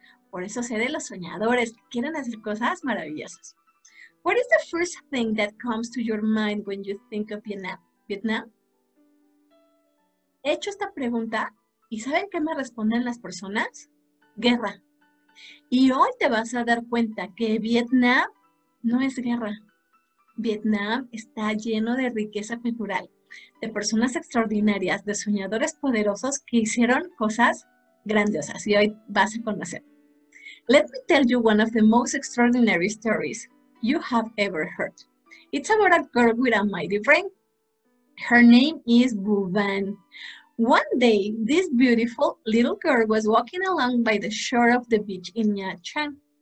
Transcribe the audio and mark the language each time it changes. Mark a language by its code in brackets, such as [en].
[es] Por eso seré de los soñadores que quieren hacer cosas maravillosas. [en] What is the first thing that comes to your mind when you think of Vietnam? Vietnam? [es] He hecho esta pregunta y ¿saben qué me responden las personas? Guerra. Y hoy te vas a dar cuenta que Vietnam no es guerra. Vietnam está lleno de riqueza cultural, de personas extraordinarias, de soñadores poderosos que hicieron cosas grandiosas y hoy vas a conocer. [en] Let me tell you one of the most extraordinary stories you have ever heard. It's about a girl with a mighty brain. Her name is Wu Ban. One day, this beautiful little girl was walking along by the shore of the beach in Nha Trang.